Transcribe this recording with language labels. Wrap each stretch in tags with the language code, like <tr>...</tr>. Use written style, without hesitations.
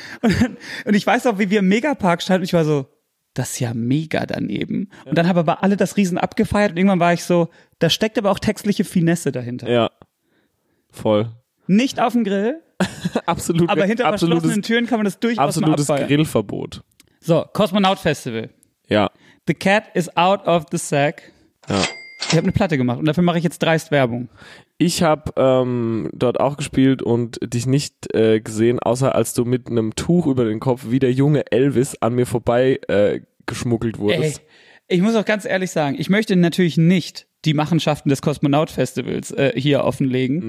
<de>Und ich weiß auch, wie wir im Megapark standen. Ich war so, das ist ja mega daneben. Und dann haben aber alle das Riesen abgefeiert. Und irgendwann war ich so, da steckt aber auch textliche Finesse dahinter. Ja, voll. Nicht auf dem Grill. Absolut. Aber hinter verschlossenen Türen kann man das durchaus mal abfeiern. Absolutes Grillverbot. So, Kosmonaut-Festival. Ja.</de> <en>The cat is out of the sack.</en> <de>Ja. Ich habe eine Platte gemacht und dafür mache ich jetzt dreist Werbung. Ich habe dort auch gespielt und dich nicht gesehen, außer als du mit einem Tuch über den Kopf wie der junge Elvis an mir vorbei geschmuggelt wurdest. Ey, ich muss auch ganz ehrlich sagen, ich möchte natürlich nicht die Machenschaften des Kosmonaut-Festivals hier offenlegen.</de>